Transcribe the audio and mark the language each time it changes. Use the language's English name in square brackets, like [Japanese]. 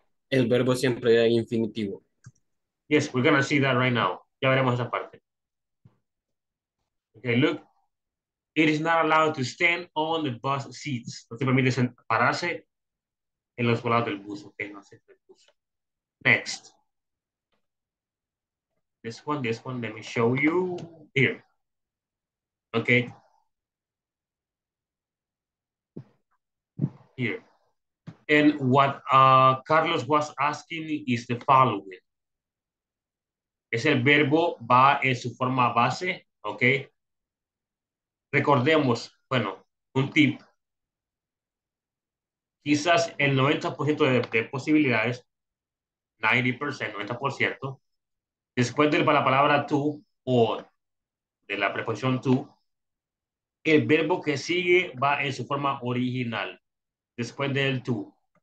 [Spanish] El verbo siempre es infinitivo. [English] Yes, we're gonna see that right now. [Spanish] Ya veremos esa parte. [English] Okay, look, It is not allowed to stand on the bus seats. [Spanish] No se permite pararse en los volados del bus. Okay, no se permite el bus. Next. [English] This one, let me show you here. Okay. Here. And what Carlos was asking is the following. [Spanish] Es el verbo va en su forma base, okay? Recordemos, bueno, un tip. Quizás el 90% de posibilidades, 90%, 90%, después de la palabra to o de la preposición to, el verbo que sigue va en su forma original, después del to.